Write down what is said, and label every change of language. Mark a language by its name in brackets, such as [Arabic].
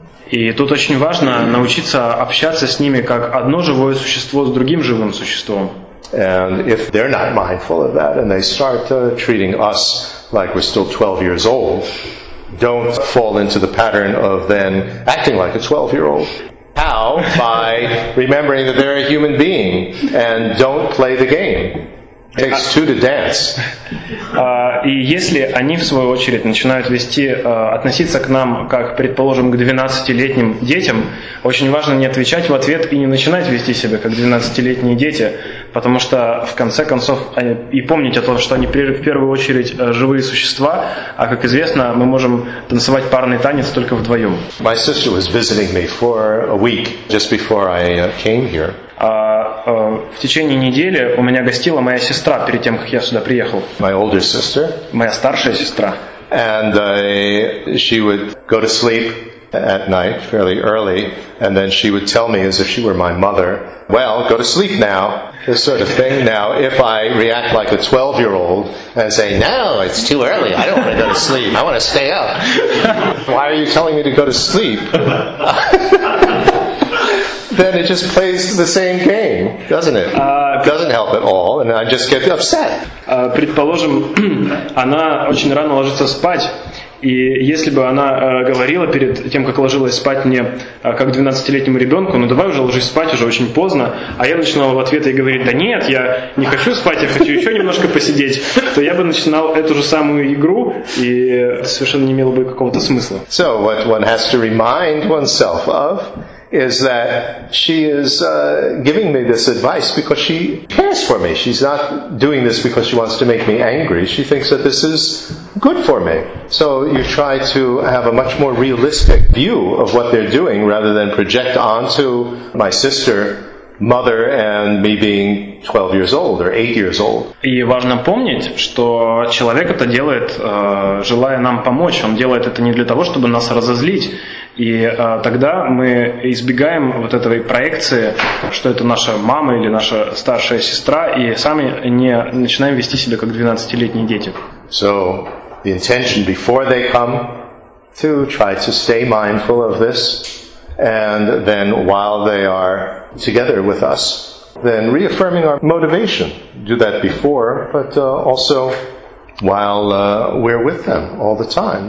[Russian] И тут очень важно научиться общаться с ними как одно живое существо с другим живым существом. [English] And if they're not mindful of that and they start treating us like we're still 12 years old, don't fall into the pattern of then acting like a 12-year-old. How? By remembering that they're a human being and don't play the game. It takes two to dance. [Russian] И если они, в свою очередь, начинают вести, относиться к нам, как, предположим, к 12-летним детям, очень важно не отвечать в ответ и не начинать вести себя, как 12-летние дети, потому что, в конце концов, и помнить о том, что они, в первую очередь, живые существа, а, как известно, мы можем танцевать парный танец только вдвоем. [English] My sister was visiting me for a week just before I came here. [Russian] В течение недели у меня гостила моя сестра перед тем, как я сюда приехал. [English] My older sister. [Russian] Моя старшая сестра. [English] And she would go to sleep at night fairly early, and then she would tell me as if she were my mother, "Well, go to sleep now." This sort of thing. Now, if I react like a 12-year-old and say, "No, it's too early. I don't want to go to sleep. I want to stay up. Why are you telling me to go to sleep?" Then it just plays the same game, doesn't it? Doesn't help at all, and I just get upset. [Russian] Предположим, она очень рано ложится спать, и если бы она говорила перед тем, как ложилась спать мне, как 12-летнему ребенку, ну давай уже ложись спать, уже очень поздно, а я начинал в ответ ей говорить, да нет, я не хочу спать, я хочу еще немножко посидеть, то я бы начинал эту же самую игру, и это совершенно не имело бы какого-то смысла. [English] So what one has to remind oneself of is that she is giving me this advice because she cares for me. She's not doing this because she wants to make me angry. She thinks that this is good for me. So you try to have a much more realistic view of what they're doing rather than project onto my sister mother and me being 12 years old or 8 years old. [Russian] И важно помнить, что человек это делает, желая нам помочь. Он делает это не для того, чтобы нас разозлить. И тогда мы избегаем вот этой проекции, что это наша мама или наша старшая сестра, и сами не начинаем вести себя как 12-летние дети. [English] So, the intention before they come to try to stay mindful of this. And then while they are together with us, then reaffirming our motivation. Do that before, but also while we're with them all the time.